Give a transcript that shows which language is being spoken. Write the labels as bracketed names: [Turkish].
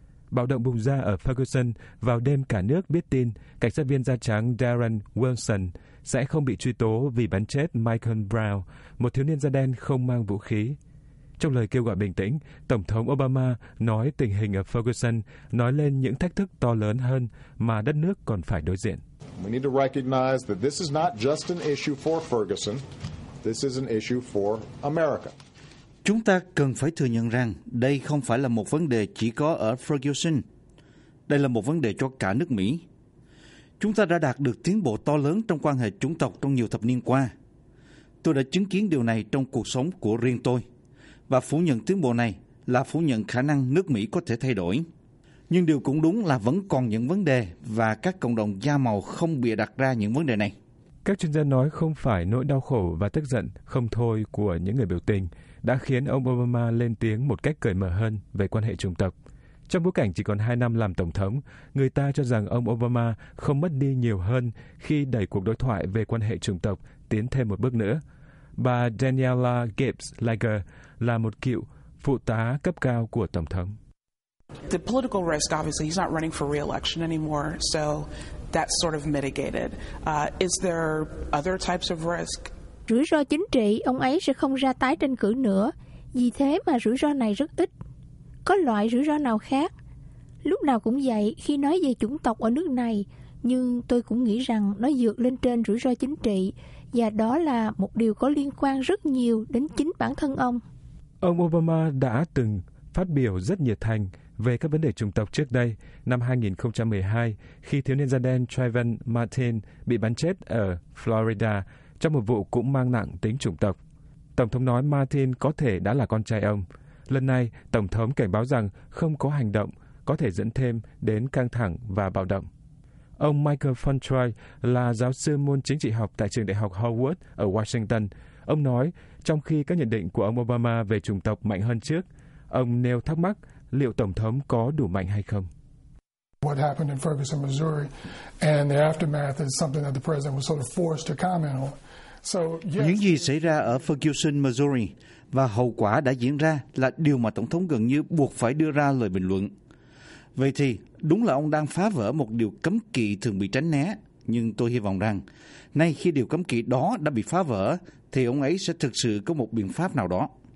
[Vietnamese] Bạo động bùng ra ở Ferguson vào đêm cả nước biết tin cảnh sát viên da trắng Darren Wilson sẽ không bị truy tố vì bắn chết Michael Brown, một thiếu niên da đen không mang vũ khí. Trong lời kêu gọi bình tĩnh, Tổng thống Obama nói tình hình ở Ferguson nói lên những thách thức to lớn hơn mà đất nước còn phải đối diện. [English] We need to recognize that this is not just an issue for Ferguson, this is an issue for America. [Vietnamese] Chúng ta cần phải thừa nhận rằng đây không phải là một vấn đề chỉ có ở Ferguson. Đây là một vấn đề cho cả nước Mỹ. Chúng ta đã đạt được tiến bộ to lớn trong quan hệ chủng tộc trong nhiều thập niên qua. Tôi đã chứng kiến điều này trong cuộc sống của riêng tôi. Và phủ nhận tiến bộ này là phủ nhận khả năng nước Mỹ có thể thay đổi. Nhưng điều cũng đúng là vẫn còn những vấn đề và các cộng đồng da màu không bịa đặt ra những vấn đề này. Các chuyên gia nói không phải nỗi đau khổ và tức giận không thôi của những người biểu tình đã khiến ông Obama lên tiếng một cách cởi mở hơn về quan hệ chủng tộc. Trong bối cảnh chỉ còn 2 năm làm Tổng thống, người ta cho rằng ông Obama không mất đi nhiều hơn khi đẩy cuộc đối thoại về quan hệ chủng tộc tiến thêm một bước nữa. Bà Daniela Gibbs-Lager là một cựu phụ tá cấp cao của Tổng thống. [English] The political risk, obviously, he's not running for re-election anymore, so that's sort of mitigated. Is there other types of risk? [Vietnamese] Rủi ro chính trị, ông ấy sẽ không ra tái tranh cử nữa. Vì thế mà rủi ro này rất ít. Có loại rủi ro nào khác? Lúc nào cũng vậy khi nói về chủng tộc ở nước này. Nhưng tôi cũng nghĩ rằng nó vượt lên trên rủi ro chính trị. Và đó là một điều có liên quan rất nhiều đến chính bản thân ông. Ông Obama đã từng phát biểu rất nhiệt thành về các vấn đề chủng tộc trước đây, năm 2012, khi thiếu niên da đen Trayvon Martin bị bắn chết ở Florida trong một vụ cũng mang nặng tính chủng tộc. Tổng thống nói Martin có thể đã là con trai ông. Lần này, Tổng thống cảnh báo rằng không có hành động có thể dẫn thêm đến căng thẳng và bạo động. Ông Michael Fontroy là giáo sư môn chính trị học tại trường đại học Howard ở Washington. Ông nói, trong khi các nhận định của ông Obama về chủng tộc mạnh hơn trước, ông nêu thắc mắc liệu Tổng thống có đủ mạnh hay không. [English] What happened in Ferguson, Missouri, and the aftermath is something that the president was sort of forced to comment on. So, yes. [Vietnamese] Những gì xảy ra ở Ferguson, Missouri và hậu quả đã diễn ra là điều mà Tổng thống gần như buộc phải đưa ra lời bình luận. Vậy thì, đúng là ông đang phá vỡ một điều cấm kỵ thường bị tránh né, nhưng tôi hy vọng rằng, nay khi điều cấm kỵ đó đã bị phá vỡ, thì ông ấy sẽ thực sự có một biện pháp nào đó.